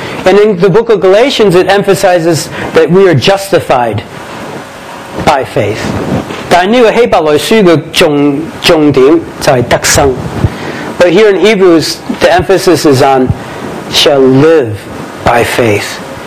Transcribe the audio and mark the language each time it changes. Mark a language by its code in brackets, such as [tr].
[en] And in the book of Galatians, it emphasizes that we are justified by faith. [zh] 但这个希伯来书的重点就是得生. [en] But here in Hebrews, the emphasis is on shall live by faith.